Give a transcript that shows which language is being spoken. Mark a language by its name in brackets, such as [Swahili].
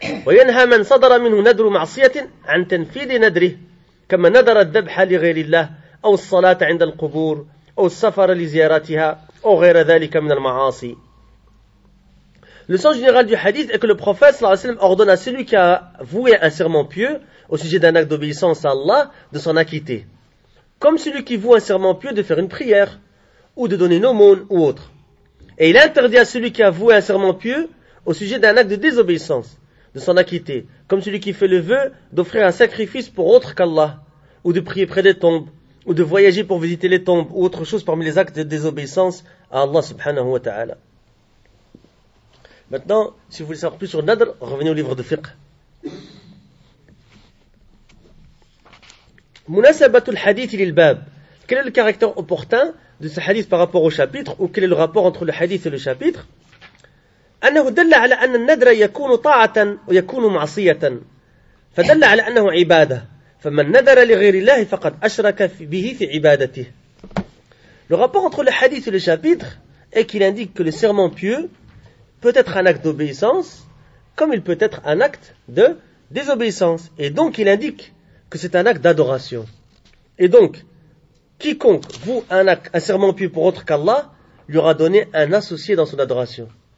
[Arabic] وينهى من صدر منه نذر معصية عن تنفيذ نذره كما نذر الذبح لغير الله أو الصلاة عند القبور أو السفر لزيارتها أو غير ذلك من المعاصي. [French] Le sens général du hadith est que le prophète صلى الله عليه وسلم ordonne à celui qui a voué un serment pieux au sujet d'un acte d'obéissance à Allah de s'en acquitter, comme celui qui voue un serment pieux de faire une prière ou de donner une aumône ou autre. Et il interdit à celui qui a voué un serment pieux au sujet d'un acte de désobéissance de s'en acquitter, comme celui qui fait le vœu d'offrir un sacrifice pour autre qu'Allah, ou de prier près des tombes, ou de voyager pour visiter les tombes, ou autre chose parmi les actes de désobéissance à Allah subhanahu wa ta'ala. Maintenant, si vous voulez savoir plus sur Nadr, revenez au livre de Fiqh. [Arabic] Munasabatul hadith lil-bab. [French] Quel est le caractère opportun de ce hadith par rapport au chapitre, ou quel est le rapport entre le hadith et le chapitre ? [Arabic] أنه دل على أن النذر يكون طاعة ويكون معصية فدل على أنه عبادة فمن نذر لغير الله فقد أشرك به في عبادته. [French] Le rapport entre le hadith et le chapitre est qu'il indique que le serment pieux peut être un acte d'obéissance comme il peut être un acte de désobéissance, et donc il indique que c'est un acte d'adoration. Et donc quiconque voue un serment pieux pour autre qu'Allah lui aura donné un associé dans son adoration.